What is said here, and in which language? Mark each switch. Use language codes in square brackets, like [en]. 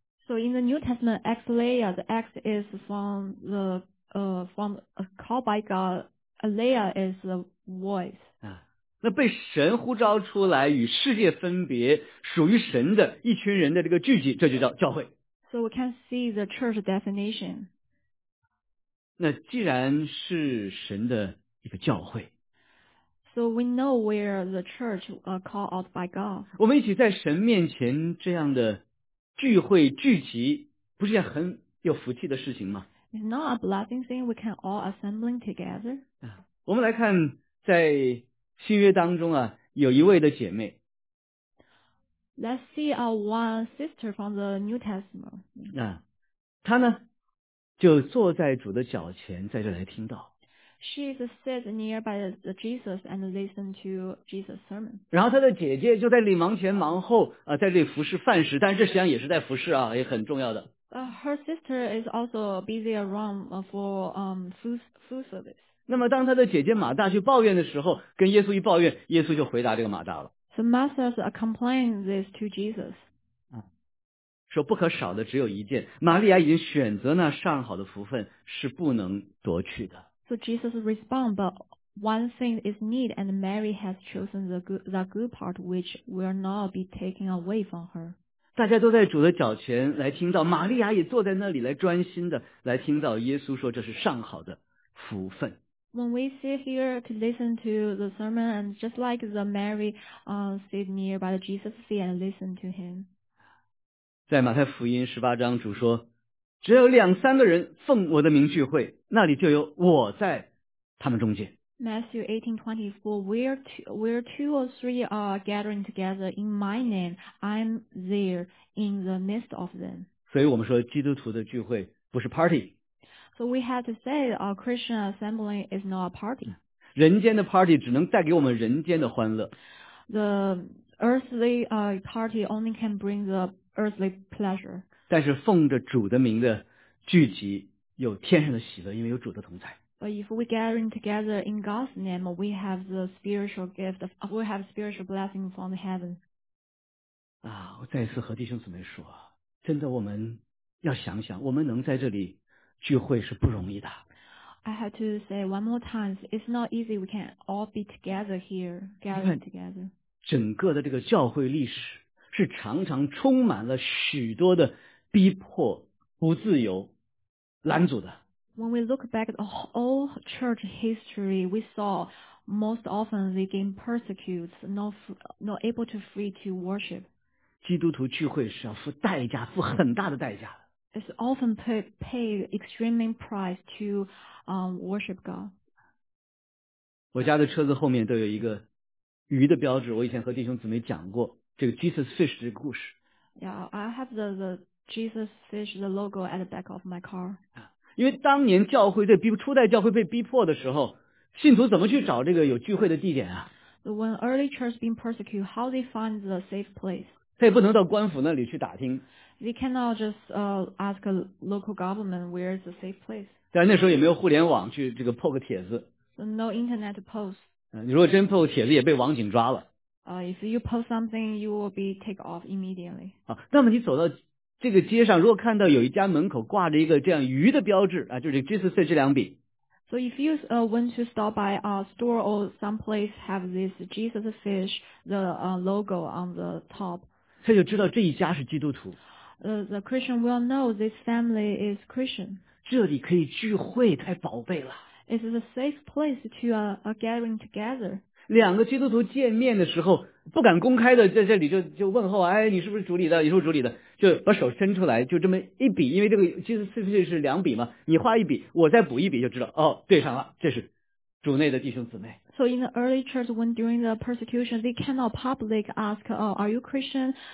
[en] So in the New Testament, ecclesia, the X is from called by God, alia is the voice. [zh] 那被神呼召出来与世界分别属于神的一群人的这个聚集，这就叫教会。 [en] So we can see the church definition. [zh] 那既然是神的一个教会。 [en] So we know where the church called out by God. [zh] 我们一起在神面前这样的聚会聚集，不是件很有福气的事情吗？ [en] It's not a blessing thing we can all assemble together. [zh] 我们来看在新约当中啊，有一位的姐妹。 [en] Let's see our one sister from the New Testament. [zh] 她呢就坐在主的脚前，在这来听到。 [en] She is sit nearby Jesus and listen to Jesus' sermon. [zh] 然后她的姐姐就在里忙前忙后在这里服侍饭食，但是这实际上也是在服侍也很重要的。 [en] Her sister is also busy around for food service. [zh] 那么当她的姐姐马大去抱怨的时候，跟耶稣一抱怨，耶稣就回答这个马大了。 [en] The masters complain this to Jesus. [zh] 说不可少的只有一件，玛利亚已经选择那上好的福分，是不能夺去的。 [en] So Jesus responds, but one thing is need, and Mary has chosen the good part, which will not be taken away from her. [zh] 大家都在主的脚前来听到，玛利亚也坐在那里来专心的来听到耶稣说这是上好的福分。 [en] When we sit here to listen to the sermon, and just like the Mary, sit near by the Jesus feet and listen to him. [zh] 在马太福音十八章，主说，只有两三个人奉我的名聚会，那里就有我在他们中间。 [en] Matthew 18:24, where two or three are gathering together in my name, I'm there in the midst of them. [zh] 所以我们说，基督徒的聚会不是 party。 [en] So we have to say our Christian assembly is not a party. [zh] 人间的 party 只能带给我们人间的欢乐。 [en] The earthly party only can bring the earthly pleasure. [zh] 但是奉着主的名的聚集有天上的喜乐，因为有主的同在。 [en] But if we gathering together in God's name, we have the spiritual gift, we have spiritual blessing from heaven. [zh] 啊，我再次和弟兄姊妹说，真的我们要想想，我们能在这里聚会是不容易的。 [en] I have to say one more time, it's not easy we can all be together here, gathering together. [zh] 整个的这个教会历史是常常充满了许多的逼迫、不自由、拦阻的。 [en] When we look back at the whole church history, we saw most often they being persecuted, not able to free to worship. [zh] 基督徒聚会是要付代价，付很大的代价。 [en] It's often pay extreme price to worship God. [zh] 我家的车子后面都有一个鱼的标志，我以前和弟兄姊妹讲过这个 Jesus Fish 的故事。 [en] Yeah, I have the Jesus Fish the logo at the back of my car. [zh] 因为当年教会在逼初代教会被逼迫的时候，信徒怎么去找这个有聚会的地点啊 [en] ？So when early church being persecuted, how they find the safe place? [zh] 他也不能到官府那里去打听。 [en] They cannot just ask a local government where is the safe place. [zh] 但那时候也没有互联网去这个 po 个帖子。 [en] So no internet post. [zh] 你如果真 po 帖子，也被网警抓了。 [en] If you post something, you will be taken off immediately. [zh] 那么你走到这个街上，如果看到有一家门口挂着一个这样鱼的标志啊，就是 Jesus Fish 这两笔。 [en] So if you want to stop by a store or some place have this Jesus Fish the logo on the top， [zh] 他就知道这一家是基督徒。 [en] The Christian will know this family is Christian。 [zh] 这里可以聚会，太宝贝了。 [en] It's a safe place to a gathering together。 [zh] 两个基督徒见面的时候，不敢公开的在这里就问候，哎，你是不是主里的？你是不是主里的？就把手伸出来，就这么一笔，因为这个其实是不是是两笔嘛？你画一笔，我再补一笔，就知道哦，对上了，这是主内的弟兄姊妹。 [en] So in the early church, when during the persecution, they cannot publicly ask, "Oh, are you Christian?"